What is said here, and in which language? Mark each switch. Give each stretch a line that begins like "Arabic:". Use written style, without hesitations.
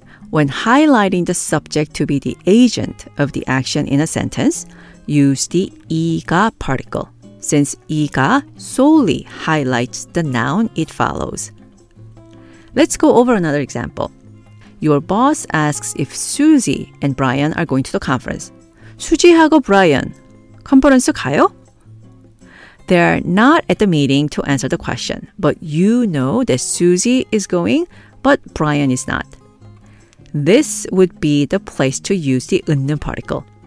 English: When highlighting the subject to be the agent of the action in a sentence, use the 이가 particle, since 이가 solely highlights the noun it follows. Let's go over another example. Your boss asks if Susie and Brian are going to the conference.
Korean: 수지하고 브라이언, 컨퍼런스 가요?
English: They are not at the meeting to answer the question, but you know that Susie is going, but Brian is not. This would be the place to use the 은는 particle.